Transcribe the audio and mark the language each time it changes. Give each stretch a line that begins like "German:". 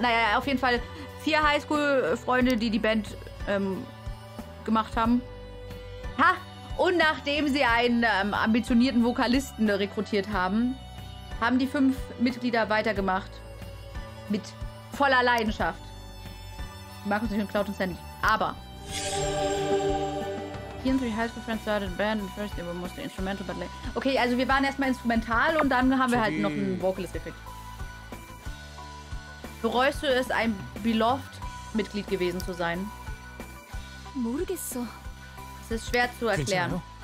German: Naja, auf jeden Fall 4 Highschool-Freunde, die die Band gemacht haben. Ha! Und nachdem sie einen ambitionierten Vokalisten rekrutiert haben, haben die 5 Mitglieder weitergemacht. Mit voller Leidenschaft. Markus und Cloud und Sandy. Aber.
English: Here and three high school friends started a band and first they were mostly instrumental, but like.
German: Okay, also wir waren erstmal instrumental und dann haben wir halt noch einen Vocalist-Effekt. Bereust du es, ein Beloved-Mitglied gewesen zu sein? Es ist schwer zu erklären.